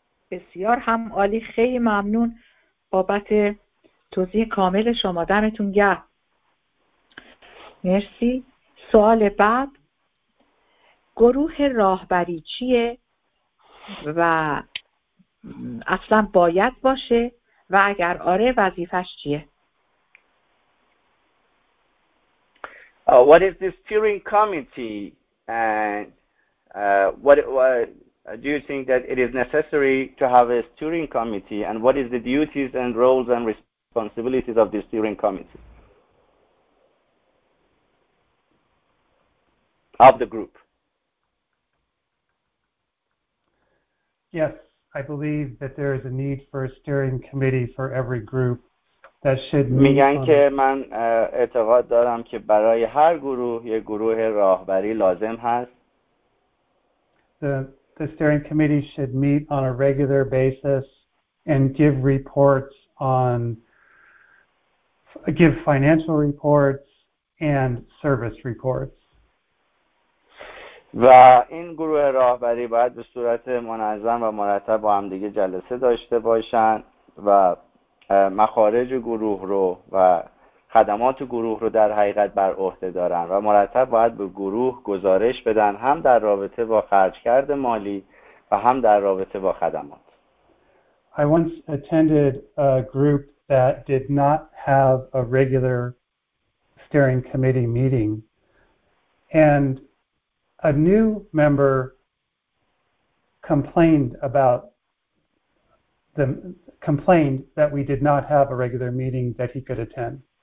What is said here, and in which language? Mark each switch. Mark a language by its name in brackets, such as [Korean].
[Persian] بسیار هم عالی، خیلی ممنون بابت توضیح کامل شما، دمتون گرم، مرسی. سوال بعد، گروه راهبری چیه و اصلا باید باشه و اگر آره وظیفش چیه؟ [English] What is the steering committee, and what do you think that it is necessary to have a steering committee, and what is the duties and roles and responsibilities of the steering committee of the group? Yes, I believe that there is a need for a steering committee for every group. [Persian] میگن که من اعتقاد دارم که برای هر گروه یه گروه راهبری لازم هست. [English] The steering committee should meet on a regular basis and give reports on give financial reports and service reports. [Persian] و این گروه راهبری باید به صورت منظم و مرتب با هم دیگه جلسه داشته باشن و مخارج گروه رو و خدمات گروه رو در حقیقت بر عهده دارن و مرتب باید به گروه گزارش بدن هم در رابطه با خرجکرد مالی و هم در رابطه با خدمات. [English] I once attended a group that did not have a regular steering committee meeting. And a new member complained about the complained that we did not have a regular meeting that he could attend.